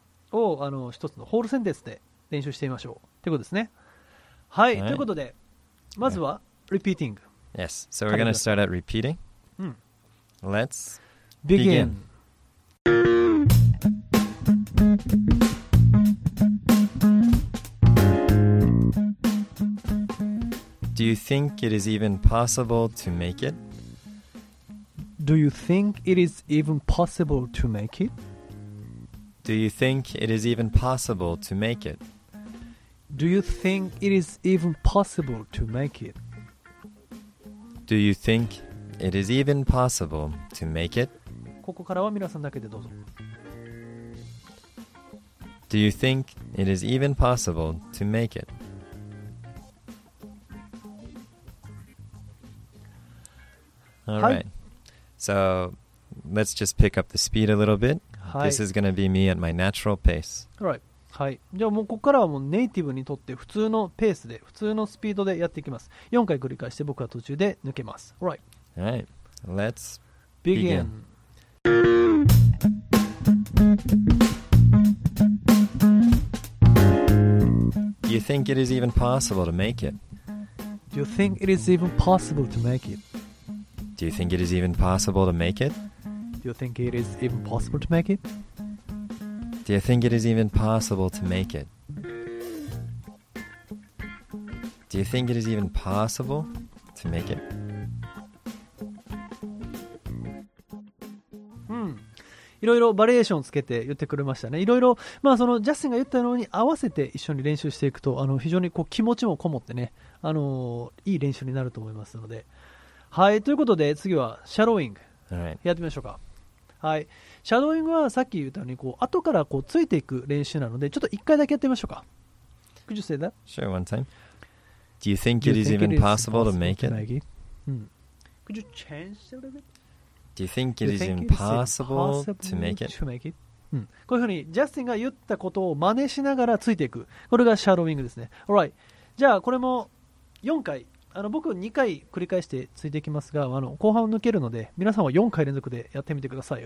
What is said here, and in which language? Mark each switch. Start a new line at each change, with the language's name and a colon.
Japanese: を一つのホールセンテンスで練習してみましょうということですね。はい、right. ということで、まずは repeating。
English: Yes, so we're going to start at repeating、うん、 Let's begin. Do you think it is even possible to make it? Do you think it is even possible to make it? Do you think it is even possible to make it? Do you think it is even possible to make it? Do you think it is even possible to make it?
Japanese: ここからは皆さんだけでどうぞ。
English: Do you think it is even possible to make it? All right. So let's just pick up the speed a little bit. This is going to be me at my natural pace. All right. はい。
Japanese: じゃあもうここからはもうネイティブにとって普通のペースで、普通のスピードでやっていきます。 4回繰り返して僕は途中で抜けます。
English: All right. All right. Let's begin. Do you think it is even possible to make it? Do you think it is even possible to make it? Do you think it is even possible to make it? Do you think it is even possible to make it? Do you think it is even possible to make it? Do you think it is even possible to make it?
Japanese: いろいろバリエーションをつけて言ってくれましたね。いろいろ、まあ、そのジャスティンが言ったように合わせて一緒に練習していくと、非常にこう気持ちもこもってね、いい練習になると思いますので、はい、ということで次はシャドーイングやってみましょうか、
English: right.
Japanese: はい、シャドーイングはさっき言ったようにこう後からこうついていく練習なので、ちょっと1回だけやってみましょうか。
English: Could you say that? Sure, one time. Do you think it is even possible to make it? Could you change a little bit? Do you think it is impossible to make it? To make it?、
Japanese: うん、こういうふうにジャスティンが言ったことを真似しながらついていく、これがシャドーイングですね。 Alright, じゃあこれも4回、僕2回繰り返してついていきますが、後半抜けるので皆さんは4回連続でやってみてください。